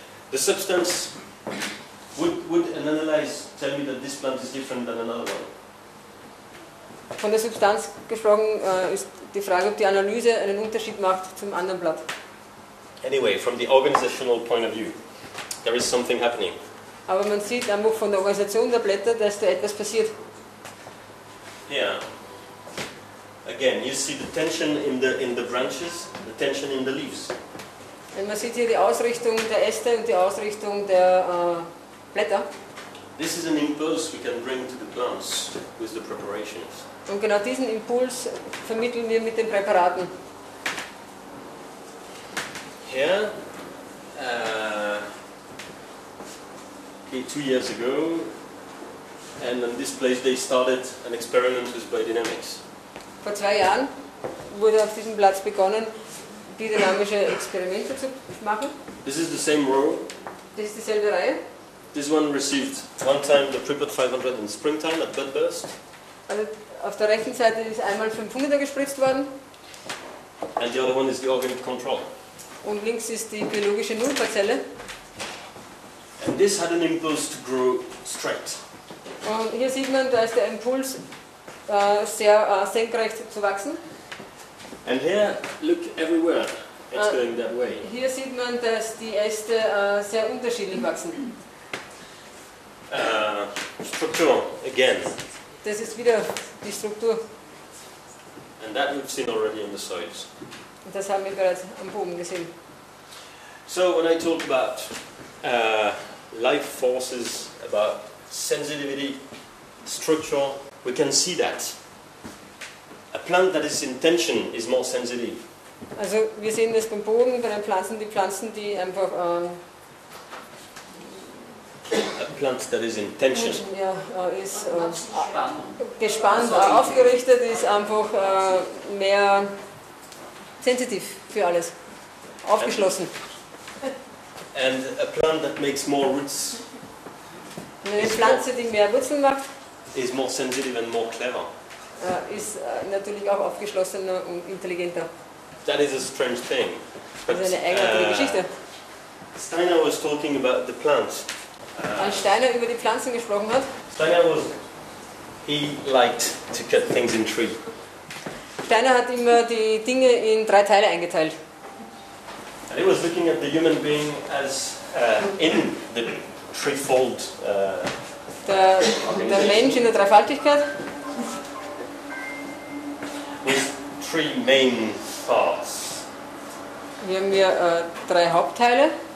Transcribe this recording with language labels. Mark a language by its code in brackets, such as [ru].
[en] The substance would an analyze tell me that this plant is different than another one? [de] Von der Substanz gesprochen ist die Frage, ob die Analyse einen Unterschied macht zum anderen Blatt. [en] Anyway, from the organizational point of view, there is something happening. [de] Aber man sieht einfach von der Organisation der Blätter, dass da etwas passiert. [en] Yeah. Again, you see the tension in the branches, the tension in the leaves. [de] Und man sieht hier die Ausrichtung der Äste und die Ausrichtung der Blätter. [en] This is an impulse we can bring to the plants with the preparations. [de] Und genau diesen Impuls vermitteln wir mit den Präparaten. [en] Here, okay, 2 years ago, and in this place they started an experiment with biodynamics. [de] Vor 2 Jahren wurde auf diesem Platz begonnen, biodynamische Experimente zu machen. [en] This is the same row. [de] Das ist dieselbe Reihe. [en] This one received one time the prepared 500 in springtime at bud burst. [de] Also auf der rechten Seite ist einmal 500 gespritzt worden. [en] And the other one is the organic control. [de] Und links ist die biologische Nullparzelle. [en] And this had an impulse to grow straight. [de] Und hier sieht man, da ist der Impuls sehr senkrecht zu wachsen. [en] And here, look everywhere, it's going that way. [de] Hier sieht man, dass die Äste sehr unterschiedlich wachsen. [en] Struktur, again. [de] Das ist wieder die Struktur. [en] And that we've seen already on the sides. [de] Und das haben wir bereits am Boden gesehen. [en] So, when I talk about life forces, about sensitivity, structure, we can see that. A plant that is in tension is more sensitive. [de] Also, wir sehen das beim Boden, bei den Pflanzen, die Pflanzen, die einfach... [en] A plant that is in tension. [de] Ja, ist gespannt, aufgerichtet, ist einfach mehr sensitiv für alles. Aufgeschlossen. [en] And a plant that makes more roots. [de] Eine Pflanze, die mehr Wurzeln macht, [en] is more sensitive and more clever. [de] Ist natürlich auch aufgeschlossener und intelligenter. [en] That is a strange thing. [de] Das ist eine eigenartige Geschichte. [en] Steiner was talking about the plants. [de] Als Steiner über die Pflanzen gesprochen hat. [en] He liked to cut things in three. [de] Steiner hat immer die Dinge in drei Teile eingeteilt. [en] And he was looking at the human being as in the threefold. [de] Der Mensch in der Dreifaltigkeit. [en] With three main parts. [de] Wir haben hier drei Hauptteile.